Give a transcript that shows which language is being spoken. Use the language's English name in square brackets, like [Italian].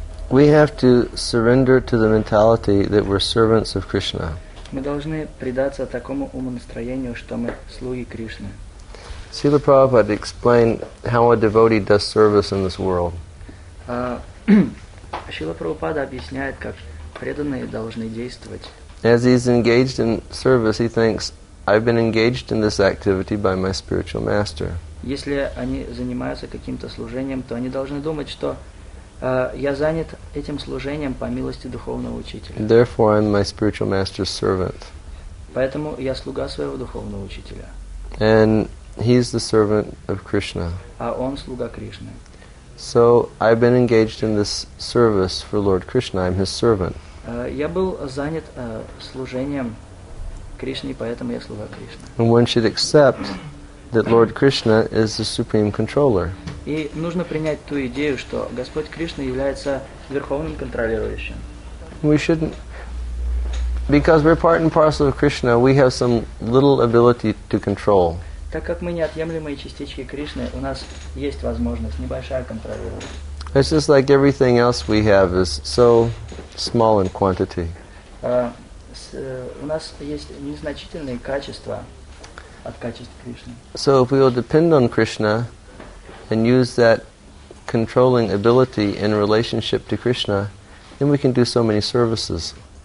[English] We have to surrender to the mentality that we're servants of Krishna. [Russian] Мы должны предаться такому умонастроению, что мы слуги Кришны. [English] Srila Prabhupada explained how a devotee does service in this world. [Russian] Srila Prabhupada объясняет, как преданные должны действовать. [English] As he's engaged in service, he thinks, I've been engaged in this activity by my spiritual master. [Russian] Если они занимаются каким-то служением, то они должны думать, что я занят этим служением по милости духовного учителя. [English] Therefore, I'm my spiritual master's servant. [Russian] Поэтому я слуга своего духовного учителя. [English] And he's the servant of Krishna. [Russian] А он слуга Кришны. [English] So I've been engaged in this service for Lord Krishna. I'm his servant. [Russian] Я был занят служением Кришне, поэтому я слуга Кришны. [English] And one should accept that Lord Krishna is the supreme controller. [Russian] И нужно принять ту идею, что Господь Кришна является верховным контролирующим. [English] We shouldn't, because we're part and parcel of Krishna, we have some little ability to control. [Russian] Так как мы неотъемлемые частички Кришны, у нас есть возможность небольшая контролировать. [English] It's just like everything else we have is so small in quantity. [Russian] У нас есть незначительные качества от качеств Кришны. [English] So if we will depend on Krishna and use that controlling ability in relationship to Krishna, then we can do so many services.